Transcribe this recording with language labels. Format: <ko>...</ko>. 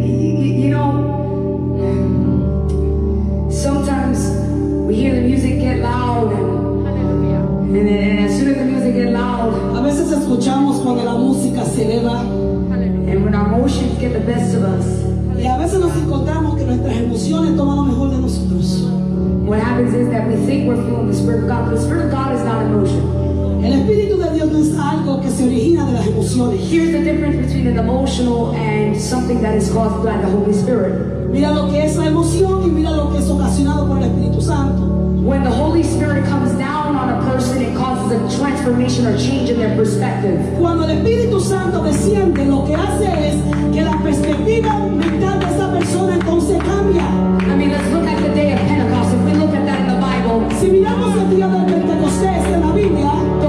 <en>You know, sometimes we hear the music get loud. Hallelujah. And then as soon as the music get loud,</en> <es>a veces escuchamos cuando la música se eleva. Hallelujah.</es> <en>And when our emotions get the best of us.</en> <es>Y a veces nos encontramos que nuestras emociones toman lo mejor de nosotros.</es> <en>What happens is that we think we're feeling the Spirit of God, but the Spirit of God is not emotion.</en> <es>El Espíritu de Dios no es algo que se origina de las emociones.</es> <en>Here's the difference between an emotional and something that is caused by the Holy Spirit.</en> <es>Mira lo que es la emoción y mira lo que es ocasionado por el Espíritu Santo.</es> <en>When the Holy Spirit comes down on a person, it causes a transformation or change in their perspective.</en> <es>Cuando el Espíritu Santo desciende, lo que hace es que la perspectiva mental de esa persona entonces cambia.</es> <en>I mean, let's look at the day of Pentecost. If we look at that in the Bible,</en> <es>si miramos el día del Pentecostés en la Biblia,</es>